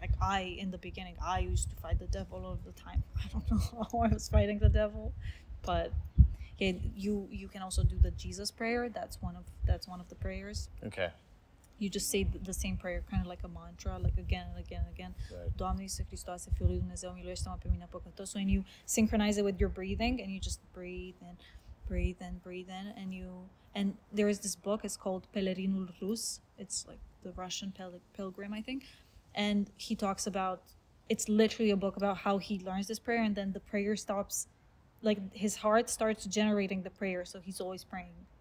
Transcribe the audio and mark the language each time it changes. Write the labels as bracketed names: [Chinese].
[English] Like, in the beginning, I used to fight the devil all the time. I don't know how I was fighting the devil. But yeah, you can also do the Jesus prayer. That's one of the prayers. Okay. You just say the same prayer, kind of like a mantra, like again and again and again. [Romanian] Doamne Iisuse Hristoase, Fiul lui Dumnezeu, miluiește-mă pe mine păcătos. [English] And you synchronize it with your breathing, and you just breathe and breathe and breathe in. And there is this book, it's called Pelerinul Rus. It's like the Russian pilgrim, I think. And he talks about, it's literally a book about how he learns this prayer, and then the prayer stops, like his heart starts generating the prayer, so he's always praying.